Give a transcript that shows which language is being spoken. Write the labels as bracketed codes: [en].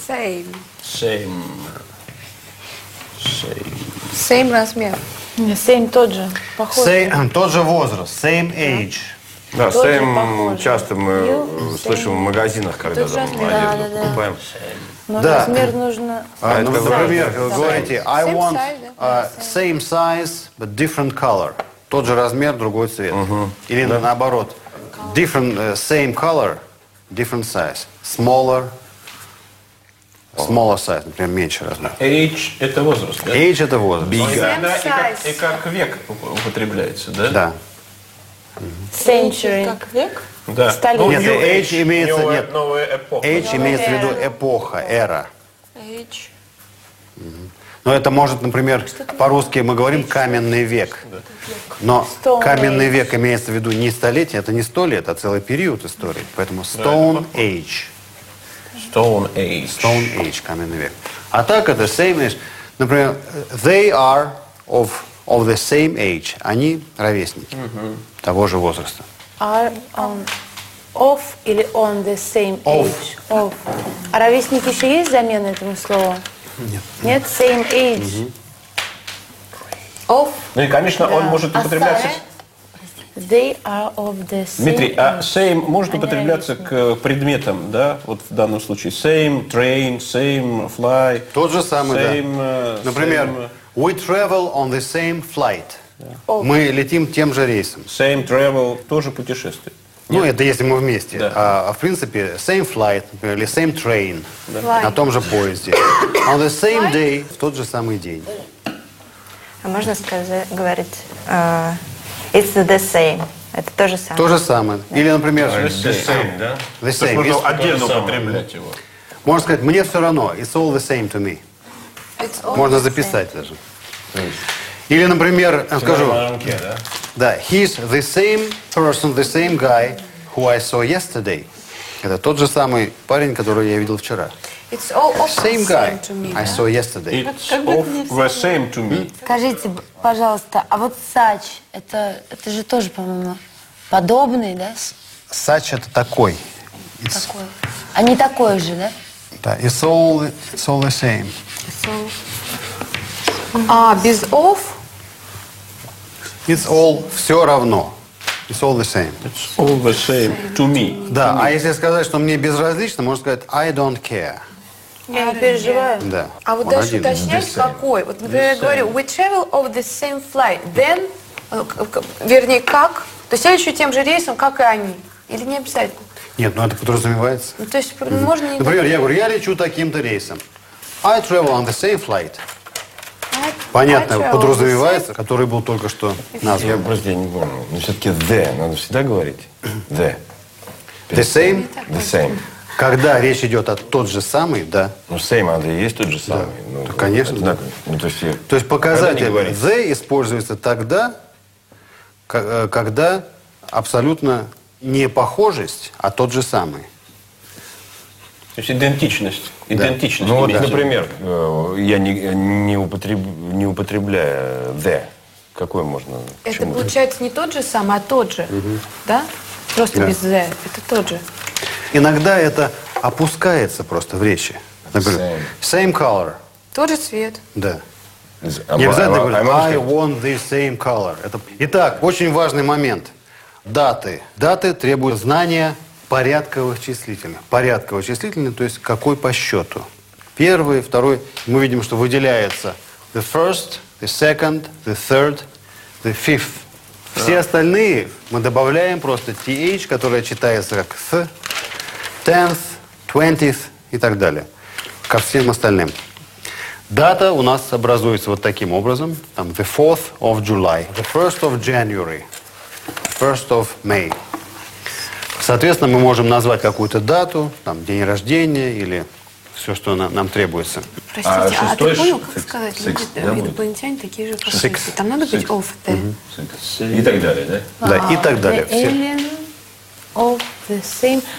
[en] Same. Same. Same. Same размер. [ru] Не, same тот же. Похоже. Same, тот же возраст. [en] Same age. [ru] Да, да, same часто мы слышим в магазинах, когда мы одежду покупаем. Да. [en] Same. [ru] Но да. Размер нужно... Ну, например, вы говорите, [en] I want same size, but different color. [ru] Тот же размер, другой цвет. Uh-huh. Или наоборот. [en] Different, same color, different size. Smaller, smaller size, [ru] например, меньше размер. Age – это возраст, да? Age – это возраст. [en] Big. [ru] И как век употребляется, да? Да. [en] Century. [ru] Как век? Да. Столетие. Нет, age имеется... Новая, нет, новая эпоха. Age имеется в виду эпоха, эра. [en] Age. [ru] Но это может, например, по-русски мы говорим каменный век. Но каменный век имеется в виду не столетие, это не 100 лет, а целый период истории. [en] Поэтому Stone Age. Stone Age. [ru] Stone Age, каменный век. А так это [en] same age. [ru] Например, [en] they are of the same age. [ru] Они ровесники того же возраста. [en] Are on of или on the same age? Of. Of. [ru] А ровесники еще есть замена этому слову? Нет. Нет, [en] same age. Mm-hmm. Of. [ru] Ну и, конечно, он может употребляться... [en] They are of the same. [ru] Дмитрий, а same может употребляться к предметам, да? Вот в данном случае. [en] Same, train, same, fly. [ru] Тот же самый, [en] same, [ru] да. Например, [en] we travel on the same flight. Yeah. Okay. [ru] Мы летим тем же рейсом. [en] Same travel, [ru] тоже путешествие. Ну, это если мы вместе. Да. А в принципе, [en] same flight, [ru] например, или [en] same train, [ru] да, на том же поезде. [en] On the same day, [ru] в тот же самый день. А можно сказать, говорить, [en] it's the same. [ru] Это то же самое. То же самое. Или, например, [en] the same, да? The same. [ru] То есть можно отдельно употреблять его. Можно сказать, мне все равно, [en] it's all the same to me. It's all [ru] можно [en] the [ru] записать [en] same. [ru] Даже. Или, например, скажу, да, [en] he's the same person, the same guy who I saw yesterday. [ru] Это тот же самый парень, которого я видел вчера. [en] It's all of the same guy to me, I saw yesterday. It's of the same to me. [ru] Скажите, пожалуйста, а вот such, это же тоже, по-моему, подобный, да? Such это такой. It's... Такой. А не такой же, да? Да, [en] it's all the same. [ru] А, без of? [en] It's all [ru] все равно. [en] It's all the same. It's all the same to me. [ru] Да, [en] to [ru] а me. Если сказать, что мне безразлично, можно сказать [en] I don't care. [ru] Я не переживаю. Да. А вот дальше уточнять, какой. Вот, например, я говорю, [en] we travel of the same flight. Then, [ru] вернее, как? То есть я лечу тем же рейсом, как и они. Или не обязательно? Нет, ну это подразумевается. Ну, то есть mm-hmm. можно... Не например, я говорю, я лечу таким-то рейсом. [en] I travel on the same flight. [ru] Понятно, подразумевается, который был только что назван. Я просто не понял. Но все-таки the, надо всегда говорить. [en] The. The same? The same. [ru] Когда речь идет о тот же самый, да. Ну, same, а есть тот же самый. Да. Ну, то, конечно. Да. Ну, то, есть, то есть показатель the используется тогда, когда абсолютно не похожесть, а тот же самый. То есть идентичность. Идентичность. Да. Ну, вот, да. Например, я не употребляю the. Какой можно? Это получается не тот же самый, а тот же. Угу. Да? Просто да. Без the. Это тот же. Иногда это опускается просто в речи. [en] Например, same color. [ru] Тот же цвет. Да. Не обязательно говорить, [en] I want the same color. [ru] Это... Итак, очень важный момент. Даты. Даты требуют знания порядковых числительных. Порядковых числительных, то есть какой по счету. Первый, второй, мы видим, что выделяется [en] the first, the second, the third, the fifth. [ru] Все остальные мы добавляем просто th, которая читается как th, 10th, 20th и так далее. Ко всем остальным. Дата у нас образуется вот таким образом. Там [en] the 4th of July, the 1st of January, 1st of May. [ru] Соответственно, мы можем назвать какую-то дату, там день рождения или все, что нам требуется. Простите, а ты понял, как сказать? Люди, инопланетяне такие же, как [en] six. [ru] Там надо быть [en] six. Of the. [ru] Mm-hmm. И так далее, да? Да, и так далее. [en] The alien of the same.